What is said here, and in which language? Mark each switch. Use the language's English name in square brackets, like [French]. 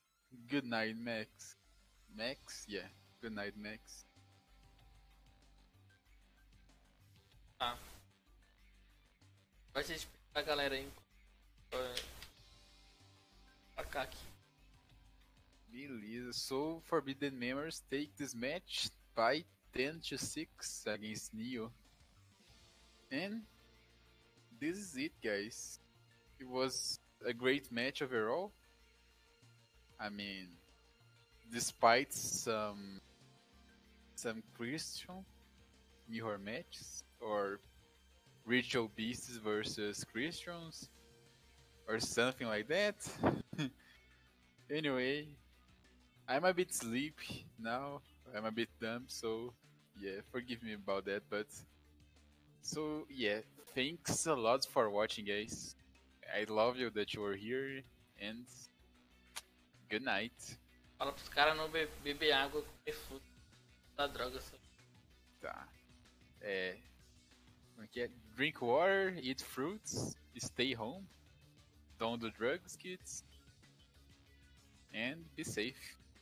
[English] Good night, Max. Max? Yeah. Good night, Max. Ah. [Portuguese] Vai ser a galera aí. Pra cá aqui. Beleza, [English] so Forbidden Memories take this match by 10-6 against Neo. And this is it, guys. It was a great match overall. I mean, despite some Christian Mirror matches, or Ritual Beasts versus Christians, or something like that. Anyway, I'm a bit sleepy now, I'm a bit dumb, so yeah, forgive me about that, but so yeah, thanks a lot for watching, guys. I love you that you were here, and good night. [Portuguese] Fala pros caras não beber água, comer fruta, da droga só. Tá. É. Okay. [English] Drink water, eat fruits, stay home, don't do drugs, kids, and be safe.